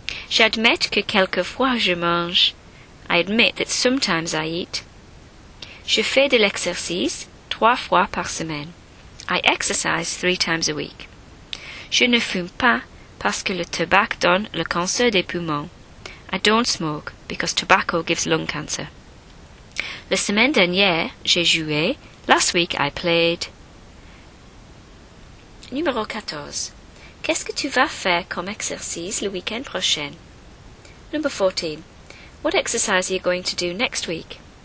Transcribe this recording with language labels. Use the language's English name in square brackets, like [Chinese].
[French] J'admets que quelquefois je mange. [English] I admit that sometimes I eat. [French] Je fais de l'exercice 3 fois par semaine. [English] I exercise 3 times a week. [French] Je ne fume pas parce que le tabac donne le cancer des poumons. [English] I don't smoke because tobacco gives lung cancer. [French] La semaine dernière, j'ai joué. [English] Last week, I played. [French] Numéro 14. Qu'est-ce que tu vas faire comme exercice le week-end prochain? [English] Number 14. What exercise are you going to do next week?